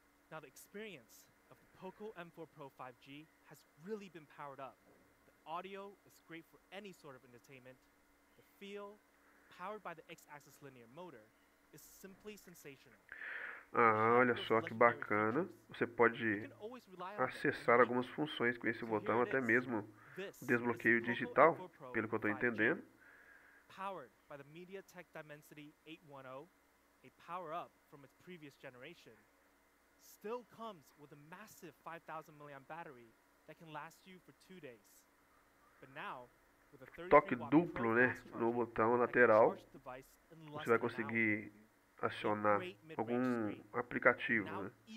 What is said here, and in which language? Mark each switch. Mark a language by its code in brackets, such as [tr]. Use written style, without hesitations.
[en] Now the experience of the Poco M4 Pro 5G has really been powered up. The audio is great for any sort of entertainment. The feel powered by the X-axis linear motor is simply sensational. [pt] Ah, olha só que bacana. Você pode acessar algumas funções com esse botão, até mesmo desbloqueio digital, pelo que eu tô entendendo. [en] Powered by the MediaTek Dimensity 810, a power up from its previous generation, still comes with a massive 5000 mAh battery that can last you for 2 days. But now, with a [pt] toque duplo, né, no botão lateral, você vai conseguir acionar algum aplicativo, né?